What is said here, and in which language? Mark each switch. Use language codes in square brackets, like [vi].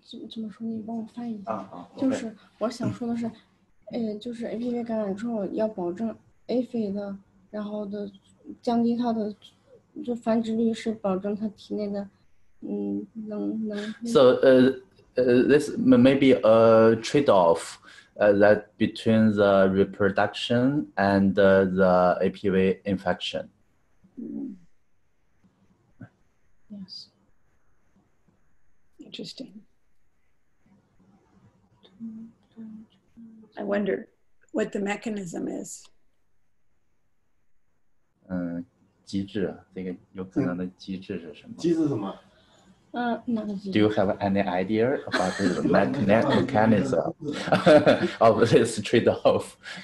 [zh] 怎么说？你帮我翻译一下。就是我想说的是，就是 APV 感染之后要保证 aphid 的，然后的降低它的就繁殖率，是保证它体内的能。 [en] This may be a trade-off that between the reproduction and the APV infection. Yes. Interesting. I wonder what the mechanism is. [zh] 嗯，机制，这个有可能的机制是什么？机制什么？ [en] Do you have any idea about the mechanism of this trade-off?